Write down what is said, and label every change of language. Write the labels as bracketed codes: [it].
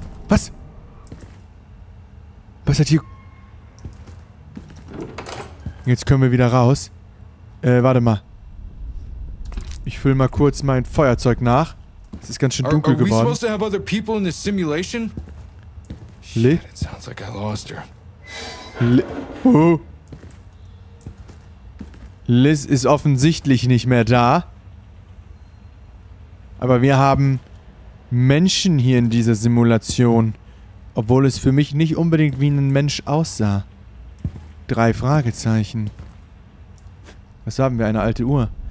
[de] Was? Was hat hier... Jetzt können wir wieder raus. Warte mal. Ich fülle mal kurz mein Feuerzeug nach. Es ist ganz schön dunkel geworden. [en] Are we supposed to have other people in this simulation? Shit, it sounds like I lost her. [de] Liz ist offensichtlich nicht mehr da. Aber wir haben Menschen hier in dieser Simulation. Obwohl es für mich nicht unbedingt wie ein Mensch aussah. Drei Fragezeichen. Was haben wir? Eine alte Uhr.